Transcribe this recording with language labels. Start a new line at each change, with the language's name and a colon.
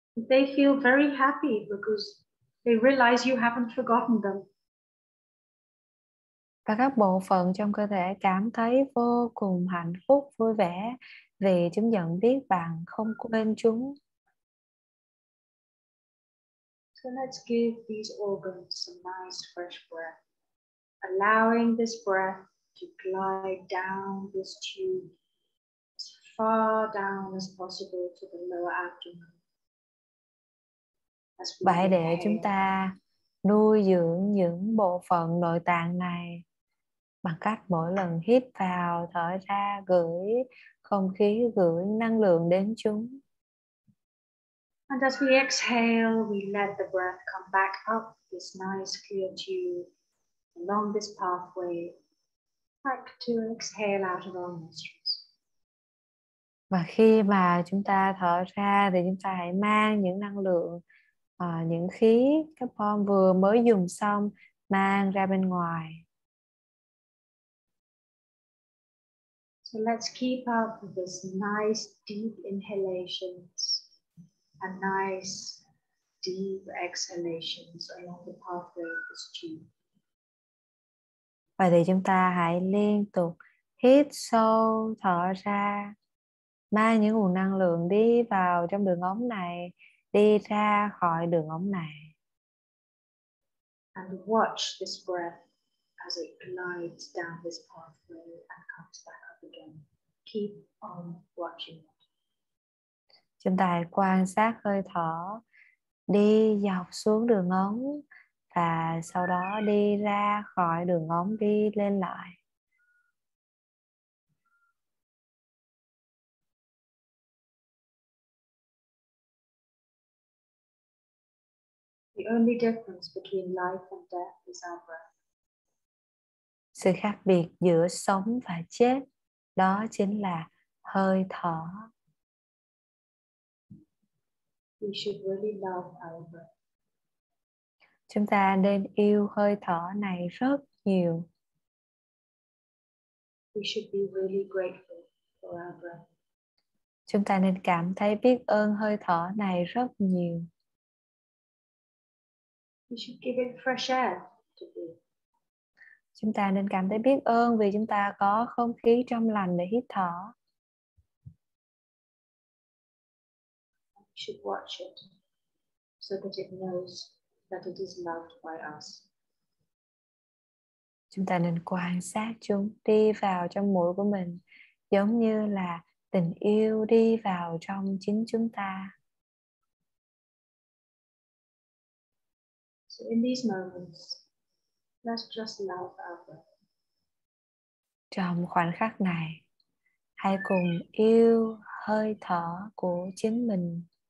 English: They feel very happy because they realize you haven't forgotten them.
Vietnamese: Và các bộ phận trong cơ thể cảm thấy vô cùng hạnh phúc, vui vẻ vì chúng nhận biết bạn không quên chúng.
English: So let's give these organs some nice fresh breath, allowing this breath to glide down this tube as far down as possible to the lower abdomen.
Vietnamese: Vậy để chúng ta nuôi dưỡng những bộ phận nội tạng này bằng cách mỗi lần hít vào, thở ra, gửi không khí, gửi năng lượng đến chúng.
English: And as we exhale, we let the breath come back up this nice clear tube along this pathway, back to exhale out of our nostrils.
Vietnamese: Và khi mà chúng ta thở ra thì chúng ta hãy mang những năng lượng, những khí carbon vừa mới dùng xong mang ra bên ngoài.
English: So let's keep up with this nice deep inhalations and nice deep exhalations along the pathway of this tube.
Vietnamese: Vậy thì chúng ta hãy liên tục hít sâu, thở ra, mang những nguồn năng lượng đi vào trong đường ống này, đi ra khỏi đường ống này.
English: And watch this breath as it glides down this pathway and comes back up again. Keep on watching.
Vietnamese: Chúng ta hãy quan sát hơi thở đi dọc xuống đường ống và sau đó đi ra khỏi đường ống, đi lên lại.
English: The only difference between life and death is our breath.
Vietnamese: Sự khác biệt giữa sống và chết đó chính là hơi thở.
English: We should really love our breath.
Vietnamese: Chúng ta nên yêu hơi thở này rất nhiều.
English: We should be really grateful for our breath.
Vietnamese: Chúng ta nên cảm thấy biết ơn hơi thở này rất nhiều.
English: We should give it fresh air to breathe.
Vietnamese: Chúng ta nên cảm thấy biết ơn vì chúng ta có không khí trong lành để hít thở.
English: We should watch it so that it knows that it is loved by us.
Vietnamese: Chúng ta nên quan sát chúng đi vào trong mũi của mình giống như là tình yêu đi vào trong chính chúng ta.
English: So in these moments, let's just love our breath.
Vietnamese: Trong khoảnh khắc này, hãy cùng yêu hơi thở của chính mình.